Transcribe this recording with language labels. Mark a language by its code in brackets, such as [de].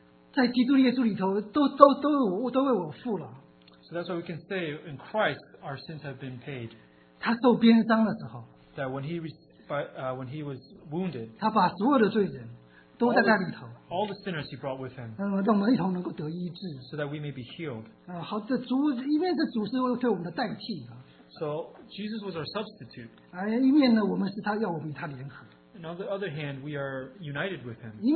[zh] 在基督耶稣里头，都为我付了。 [en] So that's why we can say in Christ our sins have been paid. [zh] 他受鞭伤的时候。 [en] That when he was wounded. [zh] 他把所有的罪人都在那里头。 [en] All the sinners he brought with him. [zh] 让我们一同能够得医治。 [en] So that we may be healed. [zh] 好的，主，一面是主是对我们的代替。 [en] So Jesus was our substitute. [zh] 一面呢，我们是他要我们与他联合。 [en] And on the other hand, we are united with him.